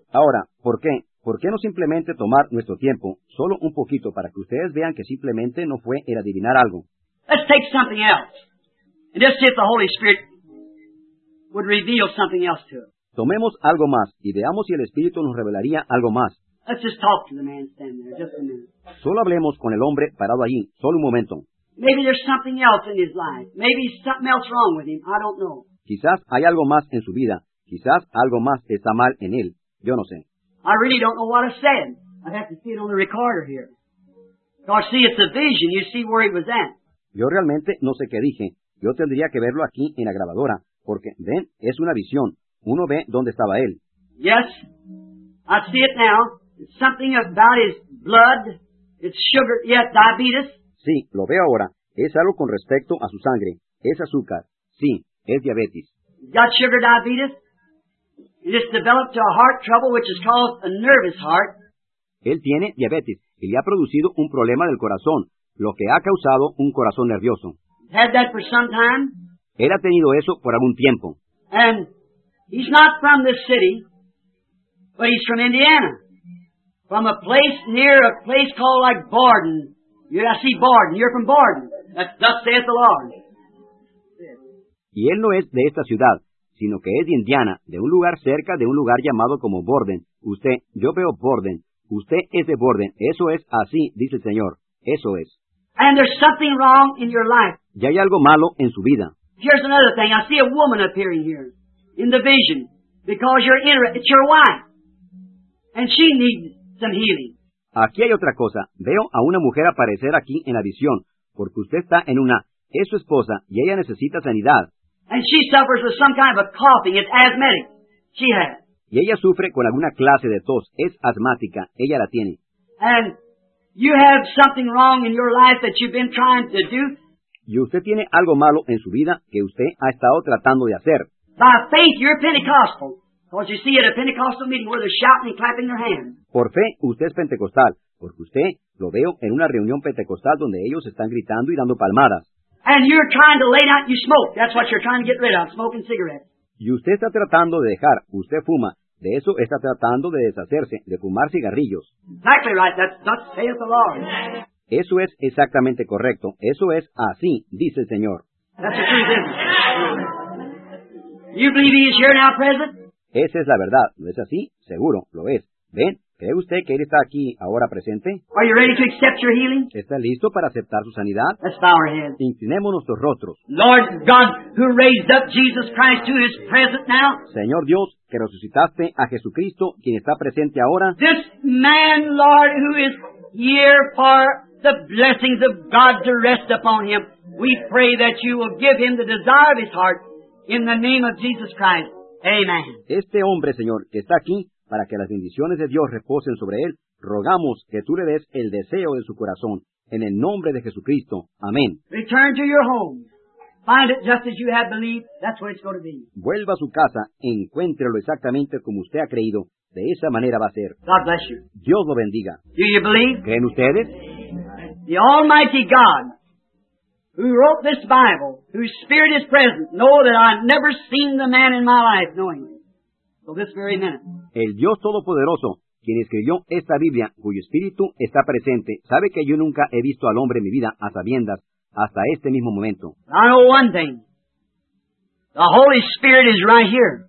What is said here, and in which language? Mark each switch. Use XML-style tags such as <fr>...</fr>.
<es>Ahora, ¿por qué? ¿Por qué no simplemente tomar nuestro tiempo, solo un poquito, para que ustedes vean que simplemente no fue el adivinar algo?</es> <en>Let's take something else. And just see if the Holy Spirit would reveal something else to us.</en> <es>Tomemos algo más y veamos si el Espíritu nos revelaría algo más.</es> <en>Let's just talk to the man standing there, just a minute.</en> <es>Solo hablemos con el hombre parado allí, solo un momento.</es> <en>Maybe there's something else in his life. Maybe something else wrong with him. I don't know.</en> <es>Quizás hay algo más en su vida. Quizás algo más está mal en él. Yo no sé.</es> <en>I really don't know what I said. I'd have to see it on the recorder here. Because see, it's a vision. You see where he was at.</en> <es>Yo realmente no sé qué dije. Yo tendría que verlo aquí en la grabadora. Porque, ven, es una visión. Uno ve dónde estaba él.</es> <en>Yes, I see it now. It's something about his blood. It's sugar. Yes, diabetes.</en> <es>Sí, lo veo ahora. Es algo con respecto a su sangre. Es azúcar. Sí, es diabetes.</es> <en>Got sugar diabetes. It's developed to a heart trouble, which is called a nervous heart.</en> <es>Él tiene diabetes y le ha producido un problema del corazón, lo que ha causado un corazón nervioso.</es> <en>Had that for some time.</en> <es>Él ha tenido eso por algún tiempo.</es> <en>And he's not from this city, but he's from Indiana. From a place near a place called like Borden. Yeah, I see Borden. You're from Borden. Thus saith the Lord.</en> <es>Y él no es de esta ciudad, sino que es de Indiana, de un lugar cerca de un lugar llamado como Borden. Usted, yo veo Borden. Usted es de Borden. Eso es así, dice el Señor. Eso es.</es> <en>And there's something wrong in your life.</en> <es>Y hay algo malo en su vida.</es> <en>Here's another thing. I see a woman appearing here in the vision because you're it's your wife. And she needs some healing.</en> <es>Aquí hay otra cosa. Veo a una mujer aparecer aquí en la visión porque usted está en una. Es su esposa y ella necesita sanidad.</es> <en>And she suffers with some kind of a coughing. It's asthmatic. She has.</en> <es>Y ella sufre con alguna clase de tos. Es asmática. Ella la tiene.</es> <en>And you have something wrong in your life that you've been trying to do.</en> <es>Y usted tiene algo malo en su vida que usted ha estado tratando de hacer.</es> <en>By faith, you're Pentecostal. Because you see at a Pentecostal meeting where they're shouting and clapping their hands.</en> <es>Por fe, usted es Pentecostal. Porque usted lo veo en una reunión Pentecostal donde ellos están gritando y dando palmadas.</es> <en>And you're trying to lay down, you smoke. That's what you're trying to get rid of, smoking cigarettes.</en> <es>Y usted está tratando de dejar, usted fuma. De eso está tratando de deshacerse, de fumar cigarrillos.</es> <en>Exactly right, that's saith the Lord.</en> <es>Eso es exactamente correcto. Eso es así, dice el Señor.</es> <en>That's the truth, isn't it? You believe he is here now present?</en> <es>Esa es la verdad. ¿No es así? Seguro, lo es. ¿Ven? ¿Cree usted que él está aquí ahora presente?</es> <en>Are you ready to accept your healing?</en> <es>¿Está listo para aceptar su sanidad?</es> <en>Let's bow our heads.</en> <es>Inclinemos nuestros rostros.</es> <en>Lord God, who raised up Jesus Christ who is present now.</en> <es>Señor Dios, que resucitaste a Jesucristo, quien está presente ahora.</es> <en>This man, Lord, who is here for the blessings of God to rest upon him. We pray that you will give him the desire of his heart in the name of Jesus Christ. Amen.</en> <es>Este hombre, Señor, que está aquí, para que las bendiciones de Dios reposen sobre él, rogamos que tú le des el deseo de su corazón. En el nombre de Jesucristo. Amén.</es> <en>Return to your home. Find it just as you have believed. That's where it's going to be.</en> <es>Vuelva a su casa. Encuéntrelo exactamente como usted ha creído. De esa manera va a ser.</es> <en>God bless you.</en> <es>Dios lo bendiga.</es> <en>Do you believe?</en> <es>¿Creen ustedes?</es> <en>The Almighty God, who wrote this Bible, whose Spirit is present, know that I've never seen the man in my life knowing him. So this very minute.</en> <es>El Dios Todopoderoso, quien escribió esta Biblia, cuyo Espíritu está presente, sabe que yo nunca he visto al hombre en mi vida a sabiendas hasta este mismo momento.</es> <en>I know one thing. The Holy Spirit is right here.</en>